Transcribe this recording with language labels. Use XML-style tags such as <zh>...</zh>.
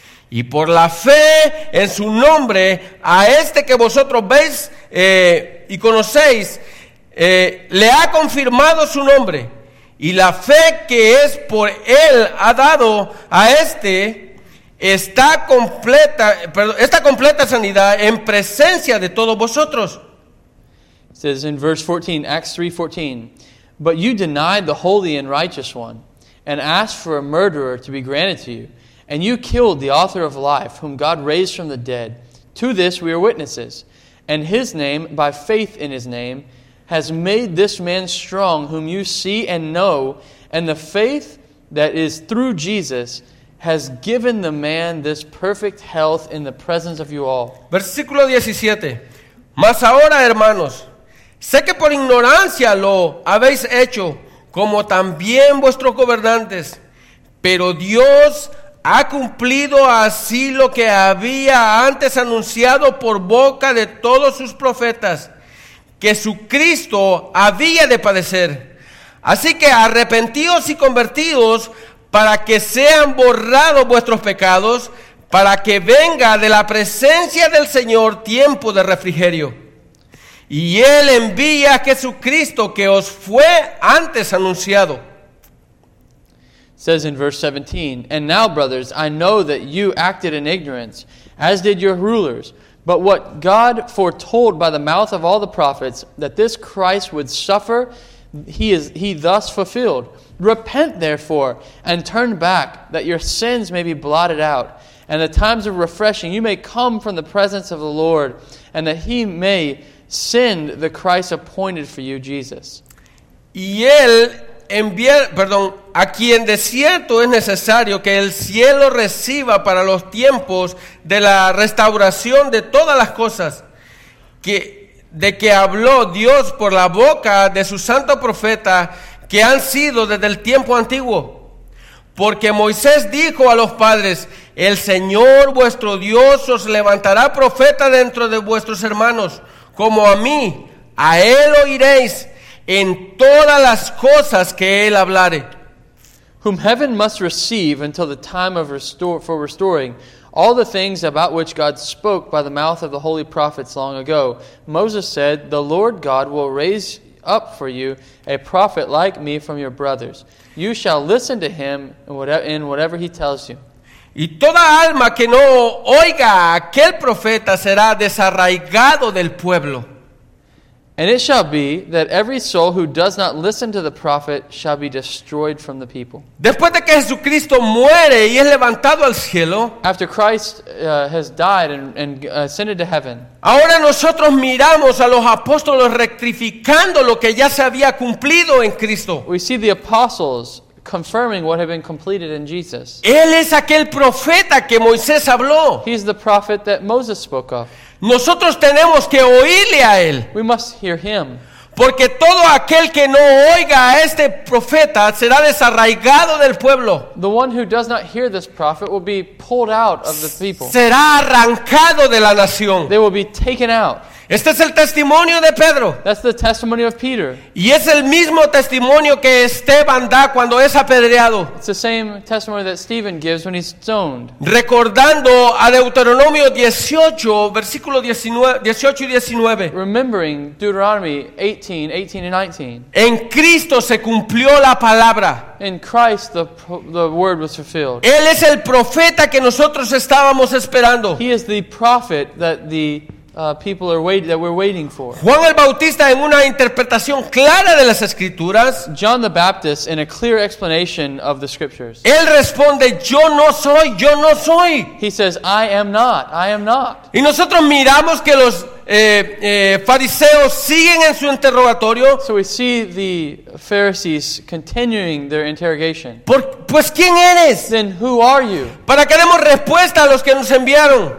<es>Y por la fe en su nombre, a este que vosotros veis y conocéis, le ha confirmado su nombre. Y la fe que es por él ha dado a este, está completa sanidad en presencia de todos vosotros.</es> <en>It says in verse 14, Acts 3:14, but you denied the holy and righteous one, and asked for a murderer to be granted to you. And you killed the author of life, whom God raised from the dead. To this we are witnesses. And his name, by faith in his name, has made this man strong, whom you see and know. And the faith that is through Jesus has given the man this perfect health in the presence of you all.</en> <es>Versículo 17. Mas ahora, hermanos, sé que por ignorancia lo habéis hecho, como también vuestros gobernantes. Pero Dios ha cumplido así lo que había antes anunciado por boca de todos sus profetas, que su Cristo había de padecer. Así que arrepentíos y convertíos para que sean borrados vuestros pecados, para que venga de la presencia del Señor tiempo de refrigerio. Y Él envía a Jesucristo que os fue antes anunciado.</es> <en>Says in verse 17, and now, brothers, I know that you acted in ignorance, as did your rulers. But what God foretold by the mouth of all the prophets, that this Christ would suffer, he thus fulfilled. Repent, therefore, and turn back, that your sins may be blotted out, and the times of refreshing, you may come from the presence of the Lord, and that He may send the Christ appointed for you, Jesus.</en> <es>Y él envía, perdón, a quien de cierto es necesario que el cielo reciba para los tiempos de la restauración de todas las cosas que de que habló Dios por la boca de su santo profeta que han sido desde el tiempo antiguo. Porque Moisés dijo a los padres, el Señor vuestro Dios os levantará profeta dentro de vuestros hermanos, como a mí, a él oiréis en todas las cosas que él hablare.</es> <en>Whom heaven must receive until the time of restoring all the things about which God spoke by the mouth of the holy prophets long ago. Moses said, the Lord God will raise up for you a prophet like me from your brothers. You shall listen to him in whatever he tells you.</en> <es>Y toda alma que no oiga a aquel profeta será desarraigado del pueblo.</es> <en>And it shall be that every soul who does not listen to the prophet shall be destroyed from the people.</en> <es>Después de que Jesucristo muere y es levantado al cielo,</es> <en>after Christ has died and ascended to heaven,</en> <es>ahora nosotros miramos a los apóstoles rectificando lo que ya se había cumplido en Cristo.</es> <en>We see the apostles confirming what had been completed in Jesus.</en> <es>Él es aquel profeta que Moisés habló.</es> <en>He's the prophet that Moses spoke of.</en> <es>Nosotros tenemos que oírle a él.</es> <en>We must hear him.</en> <es>Porque todo aquel que no oiga a este profeta será desarraigado del pueblo.</es> <en>The one who does not hear this prophet will be pulled out of the people.</en> <es>Será arrancado de la nación.</es> <en>They will be taken out.</en> <es>Este es el testimonio de Pedro.</es> <en>That's the testimony of Peter.</en> <es>Y es el mismo testimonio que Esteban da cuando es apedreado.</es> <en>It's the same testimony that Stephen gives when he's stoned.</en> <es>Recordando a Deuteronomio 18, versículo 18 y 19.</es> <en>Remembering Deuteronomy 18:18-19.</en> <es>En Cristo se cumplió la palabra.</es> <en>In Christ the word was fulfilled.</en> <es>Él es el profeta que nosotros estábamos esperando.</es> <en>He is the prophet that the people are waiting, that we're waiting for.</en> <es>Juan el Bautista, en una interpretación clara de las escrituras,</es> <en>John the Baptist, in a clear explanation of the scriptures,</en> <es>él responde, yo no soy, yo no soy.</es> <en>He says, I am not, I am not.</en> <es>Y nosotros miramos que los fariseos siguen en su interrogatorio.</es> <en>So we see the Pharisees continuing their interrogation.</en> <es>Pues, ¿quién eres?</es> <en>Then who are you?</en> <es>Para que demos respuesta a los que nos enviaron.</es>